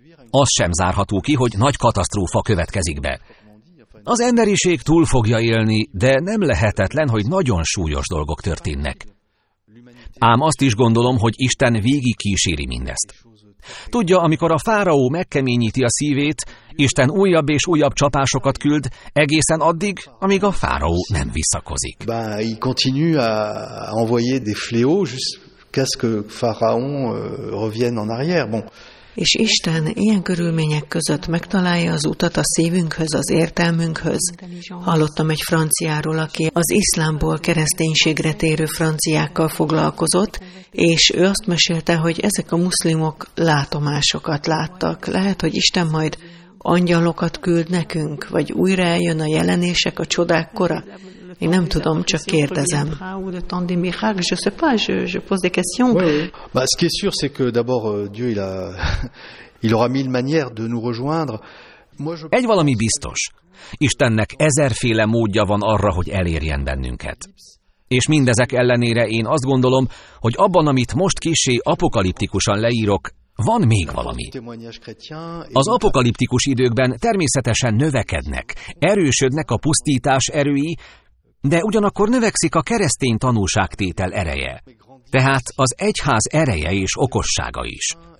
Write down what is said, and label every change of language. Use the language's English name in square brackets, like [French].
[Hungarian] Az sem zárható ki, hogy nagy katasztrófa következik be. Az emberiség túl fogja élni, de nem lehetetlen, hogy nagyon súlyos dolgok történnek. Ám azt is gondolom, hogy Isten végig kíséri mindezt. Tudja, amikor a fáraó megkeményíti a szívét, Isten újabb és újabb csapásokat küld, egészen addig, amíg a fáraó nem visszakozik. [French] Continue à envoyer des fléaux jusqu'à ce que Pharaon revienne en arrière. [Hungarian] És Isten ilyen körülmények között megtalálja az utat a szívünkhöz, az értelmünkhöz. Hallottam egy franciáról, aki az iszlámból kereszténységre térő franciákkal foglalkozott, és ő azt mesélte, hogy ezek a muszlimok látomásokat láttak. Lehet, hogy Isten majd angyalokat küld nekünk, vagy újra eljön a jelenések, a csodák kora? Én nem tudom, csak kérdezem. [French] Ce qui est sûr, c'est que d'abord Dieu il aura mille manières de nous rejoindre. [Hungarian] Egy valami biztos. Istennek ezerféle módja van arra, hogy elérjen bennünket. És mindezek ellenére én azt gondolom, hogy abban, amit most kissé apokaliptikusan leírok, van még valami. Az apokaliptikus időkben természetesen növekednek, erősödnek a pusztítás erői, de ugyanakkor növekszik a keresztény tanúságtétel ereje, tehát az egyház ereje és okossága is.